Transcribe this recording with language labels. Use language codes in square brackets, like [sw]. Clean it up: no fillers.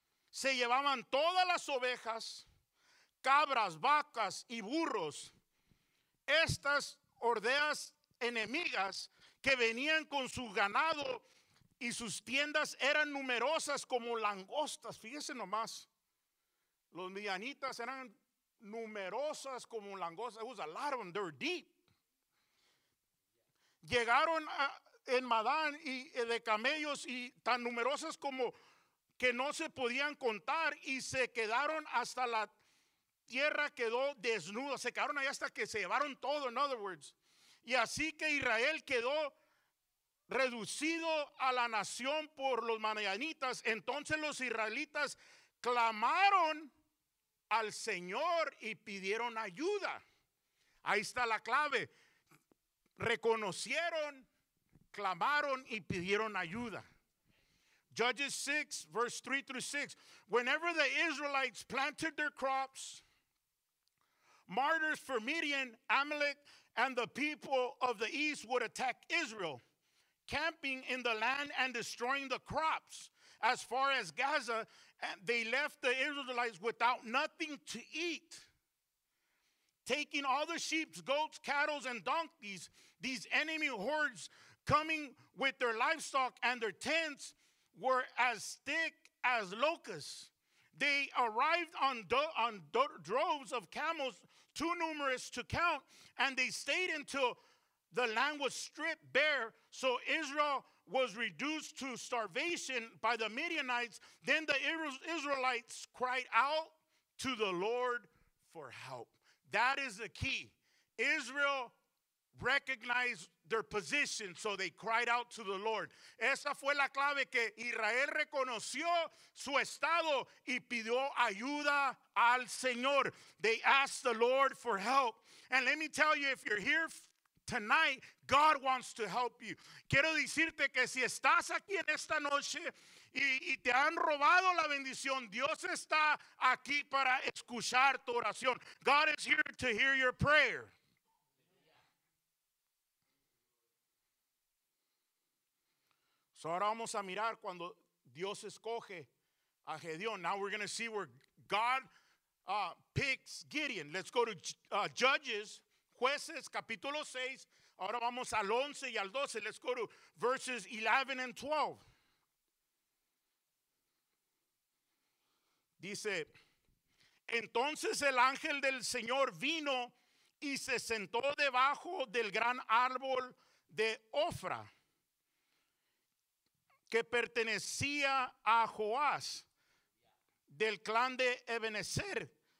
[es] Se llevaban todas las ovejas, cabras, vacas y burros. Estas hordeas enemigas que venían con su ganado y sus tiendas eran numerosas como langostas. Fíjense nomás, los midianitas eran numerosas como langostas. [en] It was a lot of them, they were deep. [es] Llegaron en Madán y de camellos y tan numerosas como que no se podían contar y se quedaron hasta la tierra quedó desnuda. Se quedaron ahí hasta que se llevaron todo, [en] in other words. [es] Y así que Israel quedó reducido a la nación por los madianitas. Entonces los israelitas clamaron al Señor y pidieron ayuda. Ahí está la clave. Reconocieron, clamaron y pidieron ayuda. [en] Judges 6, verse 3 through 6. Whenever the Israelites planted their crops, martyrs for Midian, Amalek, and the people of the east would attack Israel, camping in the land and destroying the crops. As far as Gaza, they left the Israelites without nothing to eat, taking all the sheep, goats, cattle, and donkeys. These enemy hordes coming with their livestock and their tents were as thick as locusts. They arrived on droves of camels, too numerous to count, and they stayed until the land was stripped bare. So Israel was reduced to starvation by the Midianites. Then the Israelites cried out to the Lord for help. That is the key. Israel recognized their position, so they cried out to the Lord. [es] Esa fue la clave, que Israel reconoció su estado y pidió ayuda al Señor. [en] They asked the Lord for help. And let me tell you, if you're here Tonight, God wants to help you. [es] Quiero decirte que si estás aquí en esta noche y te han robado la bendición, Dios está aquí para escuchar tu oración. [en] God is here to hear your prayer. [es] So ahora vamos a mirar cuando Dios escoge a Gedeón. [en] Now we're going to see where God picks Gideon. Let's go to Judges. [es] Jueces, capítulo 6, ahora vamos al 11 y al 12. [en] Let's go to verses 11 and 12. [es] Dice, entonces el ángel del Señor vino y se sentó debajo del gran árbol de Ofra, que pertenecía a Joás, del clan de Ebenezer.